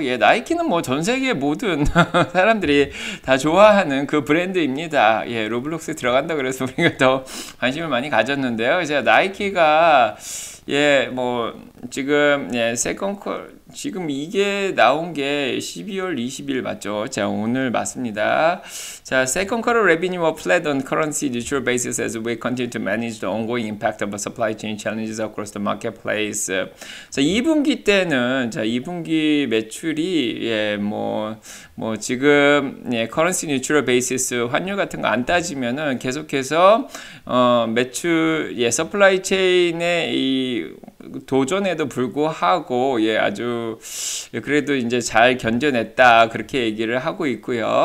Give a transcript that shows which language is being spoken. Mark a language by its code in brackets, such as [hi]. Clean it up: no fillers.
[ko] 예, 나이키는 뭐 전 세계 모든 사람들이 다 좋아하는 그 브랜드입니다. 예, 로블록스에 들어간다 그래서 우리가 더 관심을 많이 가졌는데요. 이제 나이키가 예, 뭐 지금 예, 세컨콜 지금 이게 나온 게 12월 20일 맞죠? 자, 오늘 맞습니다. [en] 자, second quarter revenue was flat on currency neutral basis as we continue to manage the ongoing impact of supply chain challenges across the marketplace. [ko] 자, 2분기 때는 자, 2분기 매출이 예, 뭐 지금 예, [en] currency neutral basis [ko] 환율 같은 거 안 따지면은 계속해서 매출 예, supply chain의 이 도전에도 불구하고 예 아주 그래도 이제 잘 견뎌냈다 그렇게 얘기를 하고 있고요.